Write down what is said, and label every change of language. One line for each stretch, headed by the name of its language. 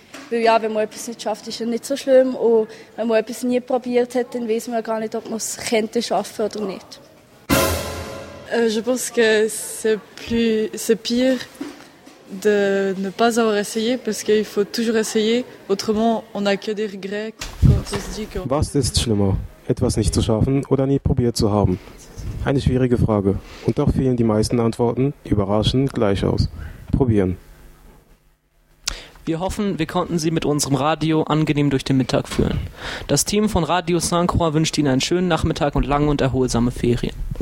German: Weil ja, wenn man etwas nicht schafft, ist es nicht so schlimm. Und wenn man etwas nie probiert hat, dann weiß man ja gar nicht, ob man es könnte schaffen oder nicht.
French: Je pense que c'est pire de ne pas avoir essayé, parce qu'il faut toujours essayer, autrement on n'a que des regrets.
German: Was ist schlimmer, etwas nicht zu schaffen oder nie probiert zu haben? Eine schwierige Frage. Und doch fielen die meisten Antworten überraschend gleich aus. Probieren. Wir hoffen, wir konnten Sie mit unserem Radio angenehm durch den Mittag führen. Das Team von Radio Saint-Croix wünscht Ihnen einen schönen Nachmittag und lange und erholsame Ferien.